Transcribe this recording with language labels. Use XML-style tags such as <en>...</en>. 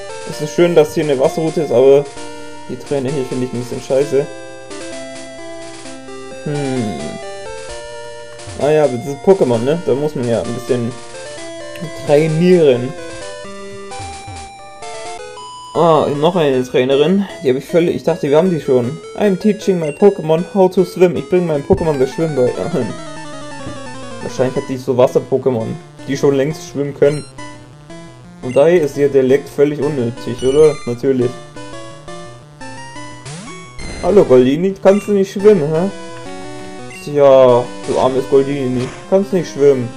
<de>Es ist schön, dass hier eine Wasserroute ist, aber die Trainer hier finde ich ein bisschen scheiße. Naja, das ist Pokémon, ne? Da muss man ja ein bisschen trainieren. Ah, noch eine Trainerin. Die habe ich völlig. Ich dachte, wir haben die schon.</de> <en>I'm teaching my Pokémon how to swim.</en> <de>Ich bringe meinem Pokémon das Schwimmen bei. Wahrscheinlich hat die so Wasser-Pokémon, die schon längst schwimmen können. Und daher ist ihr Dialekt völlig unnötig, oder? Natürlich. Hallo Goldini, kannst du nicht schwimmen, hä? Tja, du armes Goldini, kannst nicht schwimmen.</de>